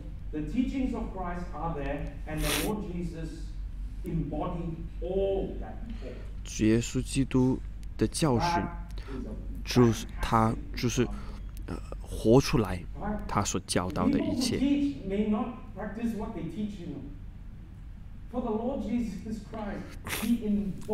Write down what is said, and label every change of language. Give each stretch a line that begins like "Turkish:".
English: The teachings of Christ are there, and the Lord Jesus embodied all that faith.
Chinese: 主耶稣基督的教训，就是他就是活出来他所教导的一切。
English: People who teach may not practice what they teach you. For the Lord Jesus Christ, he embodied everything.